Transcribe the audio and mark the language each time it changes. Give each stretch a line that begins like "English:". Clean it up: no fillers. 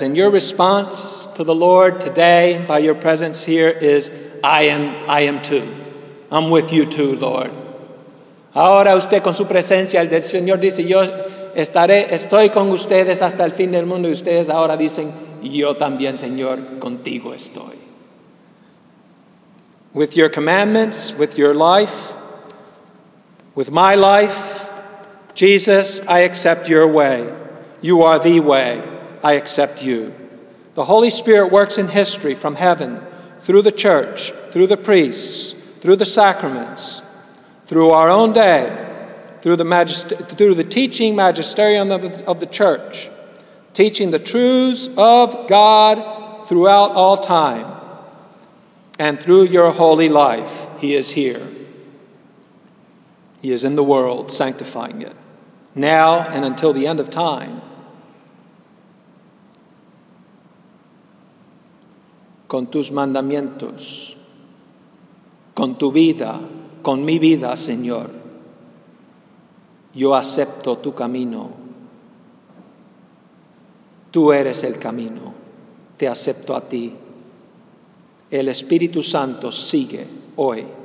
English: And your response to the Lord today by your presence here is, I am too. I'm with you too, Lord.
Spanish: Ahora usted con su presencia, el del Señor dice, yo estaré, estoy con ustedes hasta el fin del mundo. Y ustedes ahora dicen, yo también, Señor, contigo estoy.
English: With your commandments, with your life, with my life, Jesus, I accept your way. You are the way. I accept you. The Holy Spirit works in history from heaven, through the church, through the priests, through the sacraments, through our own day, through the teaching magisterium of the church, teaching the truths of God throughout all time, and through your holy life. He is here. He is in the world, sanctifying it, now and until the end of time.
Spanish: Con tus mandamientos, con tu vida, con mi vida, Señor, yo acepto tu camino. Tú eres el camino. Te acepto a ti. El Espíritu Santo sigue hoy.